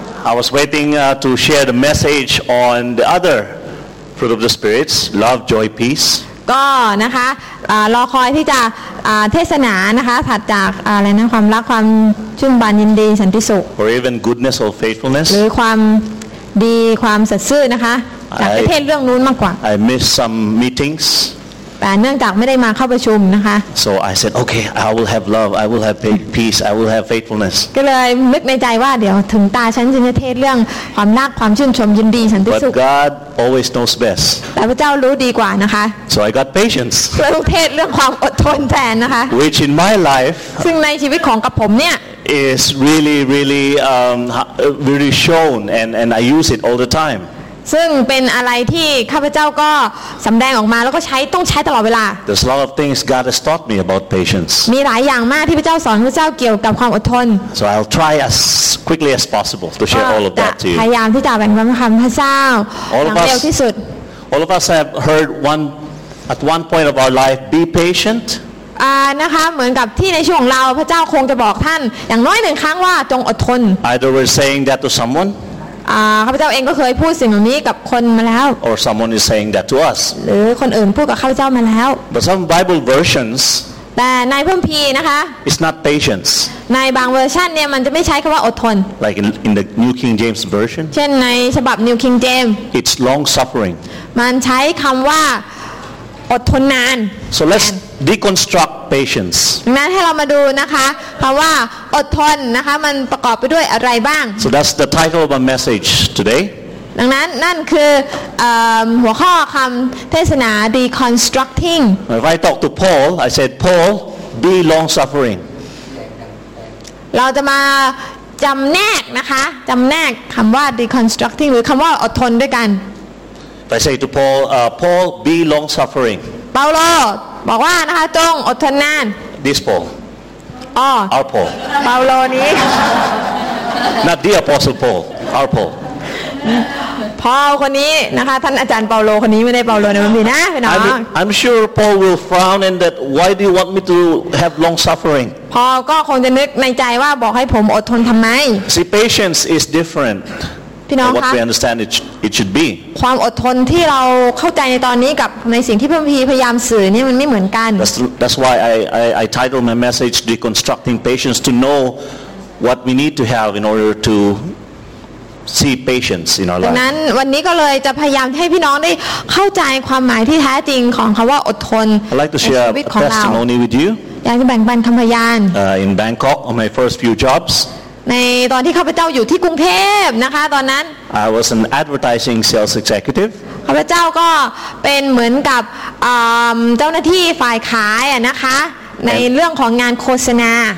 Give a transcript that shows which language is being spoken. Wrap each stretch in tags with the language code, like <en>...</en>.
<en>I was waiting to share the message on the other fruit of the spirits, love, joy, peace.</en> <th>ก็นะคะรอคอยที่จะเทศนานะคะถัดจากอะไรนะความรักความชื่นบานยินดีสันติสุข</th> <en>Or even goodness or faithfulness.</en> <th>หรือความดีความสัตย์ซื่อนะคะจากประเทศเรื่องนู้นมากกว่า</th> <en>I missed some meetings.</en> <th>แต่เนื่องจากไม่ได้มาเข้าประชุมนะคะ</th> <en>So I said okay I will have love I will have peace I will have faithfulness</en> <th>ก็เลยนึกในใจว่าเดี๋ยวถึงตาฉันจะเทศเรื่องความรักความชื่นชมยินดีสันติสุข</th> <en>But God always knows best</en> <th>แต่พระเจ้ารู้ดีกว่านะคะ</th> <en>So I got patience</en> <th>เราเทศเรื่องความอดทนแทนนะคะ</th> <en>Which in my life</en> <th>ซึ่งในชีวิตของกับผมเนี่ย</th> <en>is really really really shown and I use it all the time</en> <th>ซึ่งเป็นอะไรที่ข้าพเจ้าก็สำแดงออกมาแล้วก็ใช้ต้องใช้ตลอดเวลา</th> <en>There's a lot of things God has taught me about patience</en> <th>มีหลายอย่างมากที่พระเจ้าสอนพระเจ้าเกี่ยวกับความอดทน</th> <en>So I'll try as quickly as possible to share all of that to you</en> <th>พยายามที่จะแบ่งปันคำพระเจ้าอย่างเร็วที่สุด</th> <en>All of us have heard one at one point of our life be patient</en> <th>นะคะเหมือนกับที่ในช่วงเราพระเจ้าคงจะบอกท่านอย่างน้อยหนึ่งครั้งว่าจงอดทน</th> <en>Either we're saying that to someone</en> <th>ข้าพเจ้าเองก็เคยพูดสิ่งเหล่านี้กับคนมาแล้ว</th> <en>Or someone is saying that to us</en> <th>หรือคนอื่นพูดกับข้าพเจ้ามาแล้ว</th> <en>But some Bible versions</en> <th>แต่ในพระคัมภีร์นะคะ</th> <en>It's not patience</en> <th>ในบางเวอร์ชันเนี่ยมันจะไม่ใช้คำว่าอดทน</th> <en>Like in the New King James version</en> <th>เช่นในฉบับ New King James</th> <en>It's long suffering</en> <th>มันใช้คำว่าอดทนนาน</th> <en>So let's deconstruct patience</en> <th>งั้นให้เรามาดูนะคะคำว่าอดทนนะคะมันประกอบไปด้วยอะไรบ้าง</th> <en>So that's the title of our message today</en> <th>ดังนั้นนั่นคือหัวข้อคำเทศนา deconstructing</th> <en>If I talk to Paul I said Paul be long suffering</en> <th>เราจะมาจำแนกนะคะจำแนกคำว่า deconstructing หรือคำว่าอดทนด้วยกัน</th> <en>If I say to Paul Paul be long suffering</en> <th>เปาโลบอกว่านะคะจงอดทนนาน</th> <en>This Paul Our Paul</en> <th>เปาโลนี้</th> <en>Not the Apostle Paul Our Paul</en> <th>Paul คนนี้นะคะท่านอาจารย์เปาโลคนนี้ไม่ได้เปาโลนะมันมีนะพี่น้อง</th> <en>I'm sure Paul will frown and that why do you want me to have long suffering</en> <th>Paul ก็คงจะนึกในใจว่าบอกให้ผมอดทนทำไม</th> <en>See patience is different</en> <th>พี่น้องคะ</th> <en>What we understand it should be</en> <th>ความอดทนที่เราเข้าใจในตอนนี้กับในสิ่งที่พระคัมภีร์พยายามสื่อเนี่ยมันไม่เหมือนกัน</th> <en>That's why I titled my message deconstructing patience to know what we need to have in order to see patience in our life</en> <th>ดังนั้นวันนี้ก็เลยจะพยายามให้พี่น้องได้เข้าใจความหมายที่แท้จริงของคําว่าอดทน</th> <en>I'd like to share a testimony with you</en> <th>อยากจะแบ่งปันคําพยาน</th> <en>in Bangkok on my first few jobs</en> <th>ในตอนที่ข้าพเจ้าอยู่ที่กรุงเทพนะคะตอนนั้น</th> <en>I was an advertising sales executive</en> <th>ข้าพเจ้าก็เป็นเหมือนกับเจ้าหน้าที่ฝ่ายขายนะคะในเรื่องของงานโฆษณา</th>